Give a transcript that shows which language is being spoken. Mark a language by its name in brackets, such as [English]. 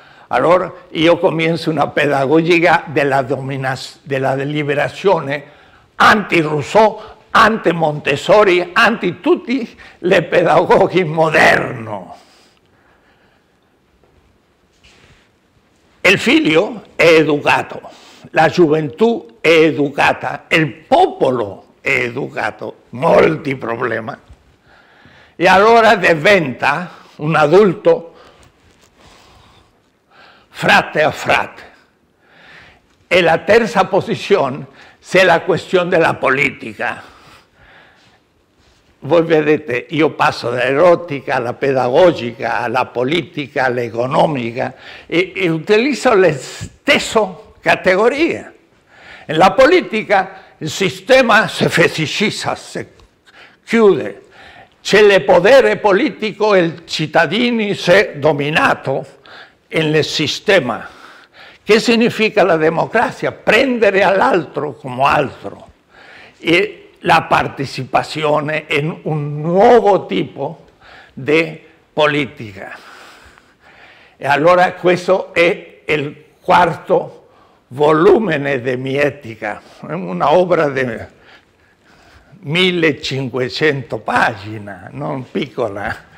[Spanish] Ahora yo comienzo una pedagogía de la dominación, de la liberación anti-Rousseau, anti-Montessori, [Italian] anti-tutti le pedagogi moderno. El figlio è educato, la gioventù è educata, il popolo è educato, molti problemi. E allora diventa un adulto frate a frate. E la terza posizione c'è la questione della politica. Voi vedete, io passo dall'erotica alla pedagogica, alla politica, all'economica e utilizzo le stesse categorie. Nella politica il sistema si fetichizza, si chiude. C'è il potere politico, il cittadino si è dominato nel sistema. [Spanish] ¿Qué significa la democracia? [Italian] Prendere all'altro como altro. [Spanish] Y la participación en un nuevo tipo de política. Y [Italian] allora questo è il quarto volumene [Spanish] de mi ética, una obra de 1500 páginas, no [Italian] piccola.